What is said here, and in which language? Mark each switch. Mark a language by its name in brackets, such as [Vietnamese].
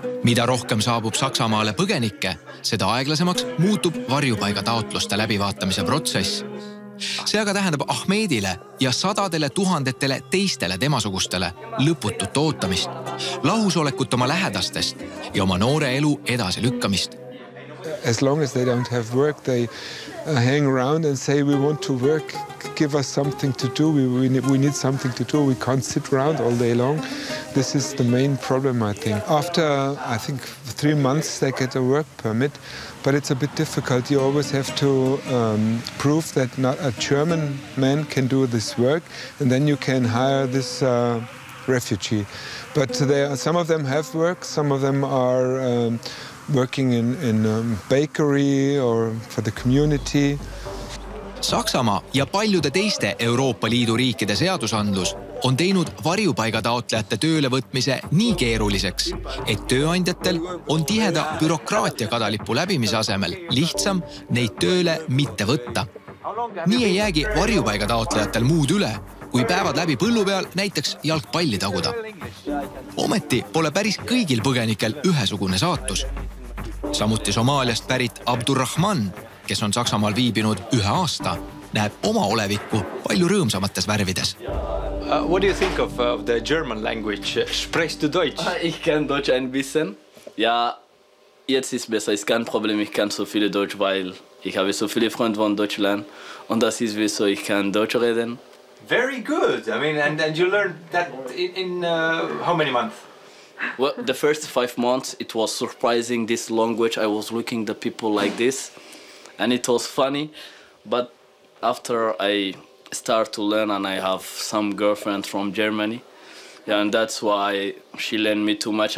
[Estonian] Mida rohkem saabub Saksamaale põgenikke, seda aeglasemaks muutub varjupaiga taotluste läbivaatamise protsess. See aga tähendab Ahmedile ja sadadele tuhandetele teistele temasugustele lõputut ootamist, lahusolekut oma lähedastest ja oma noore elu edasi lükkamist. [English] As long as they don't have work, they hang around and say, we want to work, give us something to do, we need something to do, we can't sit around all day long. This is the main problem, I think. After, I think, 3 months, they get a work permit, but it's a bit difficult. You always have to prove that not a German man can do this work, and then you can hire this refugee. But some of them have work, some of them are working in a bakery or for the community. [Estonian] Saksamaa ja paljude teiste Euroopa Liidu riikide seadusandlus on teinud varjupaiga taotlejate tööle võtmise nii keeruliseks, et tööandjatel on tiheda bürokraatia kadalipu läbimise asemel lihtsam neid tööle mitte võtta. Nii ei jäägi varjupaiga taotlejatel muud üle, kui päevad läbi põllu peal näiteks jalgpalli taguda. Ometi pole päris kõigil põgenikel ühesugune saatus. Samuti Somaaliast pärit Abdurrahman, kes on Saksamaal viibinud 1 aasta, näeb oma olevikku palju rõõmsamates värvides. [English] What do you think of the German language? [German] Sprichst du Deutsch? Ich kann Deutsch ein bisschen. Ja, jetzt ist besser. Ist kein Problem. Ich kann so viel Deutsch, weil ich habe so viele Freunde von Deutschland. Und das ist wie so, ich kann Deutsch reden. [English] Very good. I mean, and you learned that in how many months? Well, the first 5 months, it was surprising, this language. I was looking at the people like this, and it was funny. But after I start to learn, and I have some girlfriend from Germany, yeah, and that's why she learned me too much.